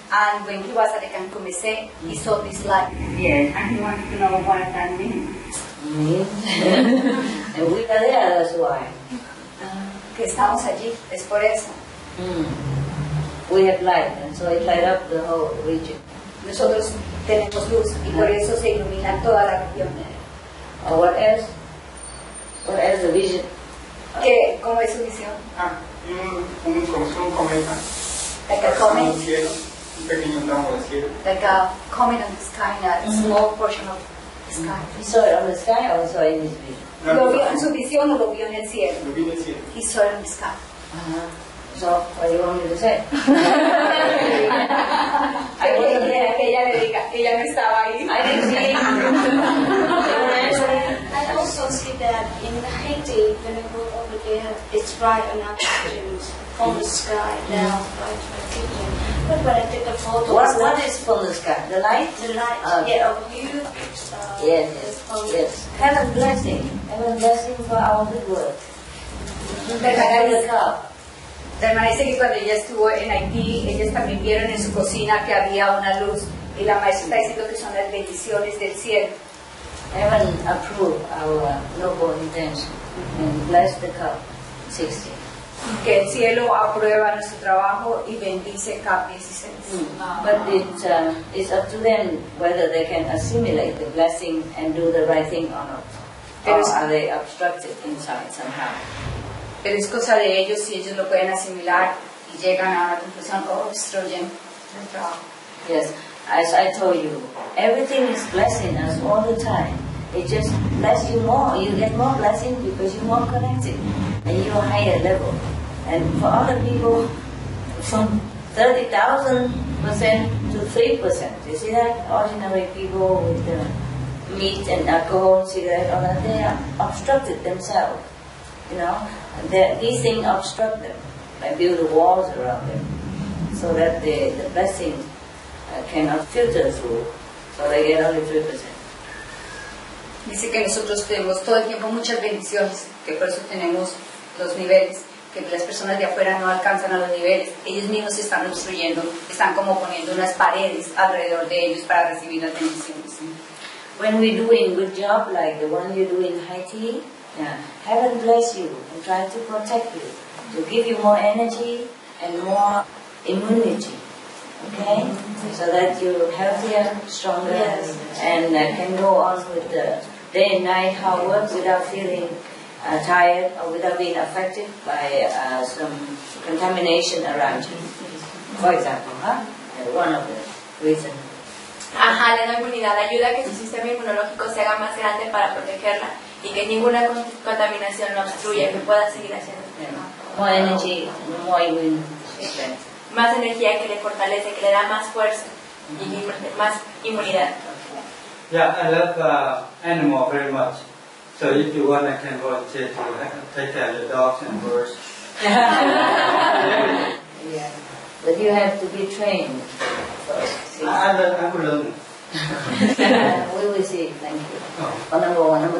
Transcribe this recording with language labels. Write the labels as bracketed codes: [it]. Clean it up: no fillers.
[en] And when he was at the Cancún ese, he saw this light. Yes, and he wanted to know what that means. Mm-hmm. And we are there, that's why. [es] Que estamos allí, es por eso. [en] We have light, and so it lights up the whole region. [es] Nosotros tenemos luz, y por eso se ilumina toda la región. [en] Oh, what else? What else, the vision? [es] Que, ¿cómo es su visión? Un cometa. [en] Like a comet. [es] Un pequeño tramo de cielo. [en] Like a comet on the sky, in a small portion of the sky. He saw it on the sky, or saw it in his vision? [es] Lo vio en su visión o lo vio en el cielo. Lo vi en el cielo. [en] He saw it in the sky. So, what do you want me to say? I didn't see [es] que ella le diga, ella no estaba ahí. [en] I didn't see. I also see that in Haiti, when I go over there, it's bright on oxygen from the sky. But when I take a photo, what is from the sky? The light? The light. Yeah, a beautiful star. Yes, yes. Yes. Heaven blessing. Heaven blessing for our good work. [es] La hermana dice que cuando ella estuvo en Haití, ellas también vieron en su cocina que había una luz. Y la maestra está diciendo que son las bendiciones del cielo. [en] Heaven approve our noble intention and bless the cup 16. [es] Que el cielo aprueba nuestro trabajo y bendice el cup 16. [en] But it's up to them whether they can assimilate the blessing and do the right thing or not. Pero or are they obstructed inside somehow? [es] Pero es cosa de ellos si ellos lo pueden asimilar y llegan a una conclusión o obstruyen el trabajo. [en] Yes, as I told you, everything is blessing us all the time. It just bless you more. You get more blessing because you're more connected and you're higher level. And for other people, from 30,000% to 3%. You see that? Ordinary people with the meat and alcohol, cigarette, all that, they are obstructed themselves. You know, these things obstruct them and build the walls around them so that the blessing cannot filter through, so they get only 3%. [es] Dice que nosotros tenemos todo el tiempo muchas bendiciones, que por eso tenemos los niveles, que las personas de afuera no alcanzan a los niveles. Ellos mismos se están obstruyendo, están como poniendo unas paredes alrededor de ellos para recibir las bendiciones. [en] When we're doing good job like the one you do in Haiti, yeah, heaven bless you and try to protect you, to give you more energy and more immunity, okay? So that you're healthier, stronger, yes. And can go on with the day and night hard work without feeling tired or without being affected by some contamination around you. For example, huh? One of the reasons. [es] Ajá, le da inmunidad, ayuda a que su sistema inmunológico se haga más grande para protegerla y que ninguna contaminación lo obstruya, que pueda seguir haciendo su trabajo. [en] More energy, more immunity. [es] Más energía que le fortalece, que le da más fuerza y más inmunidad. [en] Yeah, I love animal very much. So if you want, I can volunteer to take care of the dogs and birds. Yeah. But you have to be trained. I will learn. We will see. Thank you. Oh. Well, number one.